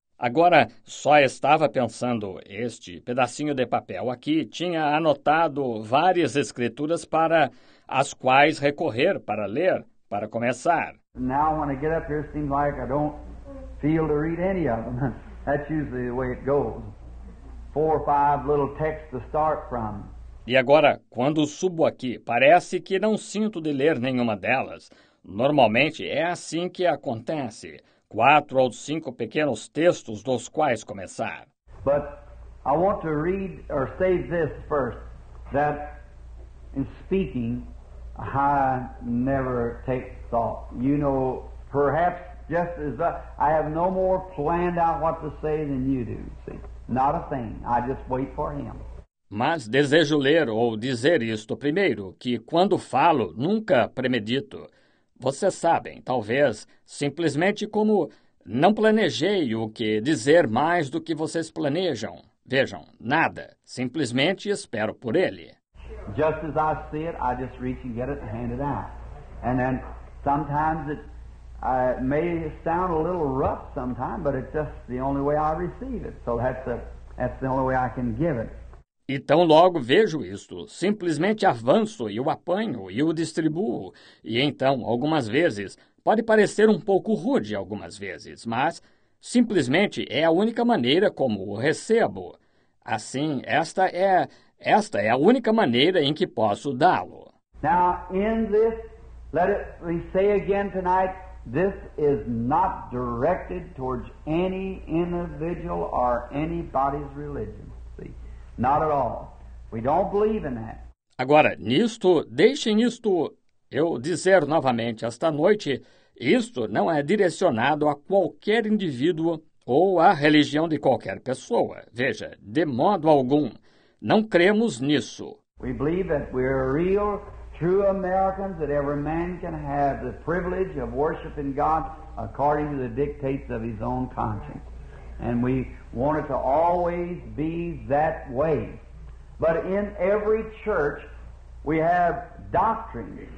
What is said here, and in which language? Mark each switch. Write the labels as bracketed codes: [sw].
[pt] Agora, só estava pensando, este pedacinho de papel aqui tinha anotado várias escrituras para as quais recorrer para ler, para começar. [en] Now, when I get up here, it seems like I don't feel to read any of them. That's usually the way it goes. Four or five little texts to start from. [pt] E agora, quando subo aqui, parece que não sinto de ler nenhuma delas. Normalmente, é assim que acontece. Quatro ou cinco pequenos textos dos quais começar. [en] But I want to read or say this first, that in speaking, I never take thought. You know, perhaps Just as I have no more planned out what to say than you do, see? Not a thing. I just wait for him. [pt] Mas desejo ler ou dizer isto primeiro, que quando falo, nunca premedito. Vocês sabem, talvez, simplesmente como não planejei o que dizer mais do que vocês planejam. Vejam, nada. Simplesmente espero por ele. [en] Just as I see it, I just reach and get it and hand it out. And then sometimes it may sound a little rough sometimes, but it's just the only way I receive it. So that's the only way I can give it. [pt] E tão logo vejo isto, simplesmente avanço e o apanho e o distribuo. E então, algumas vezes, pode parecer um pouco rude algumas vezes, mas simplesmente é a única maneira como o recebo. Assim, esta é a única maneira em que posso dá-lo. [en] Now, in this, let it we say again tonight, this is not directed towards any individual or anybody's religion. Not at all. We don't believe in that. [pt] Agora, nisto, deixem isto eu dizer novamente esta noite, isto não é direcionado a qualquer indivíduo ou à religião de qualquer pessoa. Veja, de modo algum, não cremos nisso. [en] We believe that we are real, true Americans, that every man can have the privilege of worshiping God according to the dictates of his own conscience. And we want it to always be that way. But in every church, we have doctrine.